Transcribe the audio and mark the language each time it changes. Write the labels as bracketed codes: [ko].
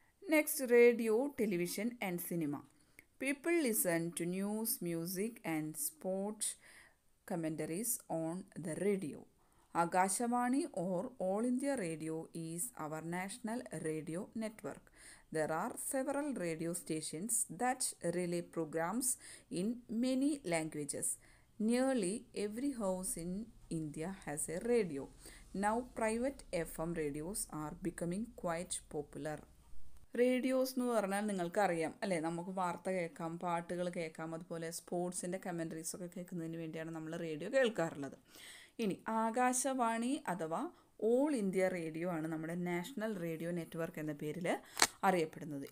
[en] Next, radio, television and cinema. People listen to news, music and sports commentaries on the radio. Akashvani or all India radio is our national radio network. There are several radio stations that relay programs in many languages. Nearly every house in India has a radio. Now private FM radios are becoming quite popular. [ml] Radios എന്ന് പറഞ്ഞാൽ നിങ്ങൾക്കറിയാം അല്ലേ, നമുക്ക് വാർത്ത കേൾക്കാം, പാട്ടുകൾ കേൾക്കാം, അതുപോലെ സ്പോർട്സിൻ്റെ കമൻ്ററീസ് ഒക്കെ കേൾക്കുന്നതിന് വേണ്ടിയാണ് നമ്മൾ റേഡിയോ കേൾക്കാറുള്ളത്. ഇനി ആകാശവാണി അഥവാ ഓൾ ഇന്ത്യ റേഡിയോ ആണ് നമ്മുടെ നാഷണൽ റേഡിയോ നെറ്റ്വർക്ക് എന്ന പേരിൽ അറിയപ്പെടുന്നത്.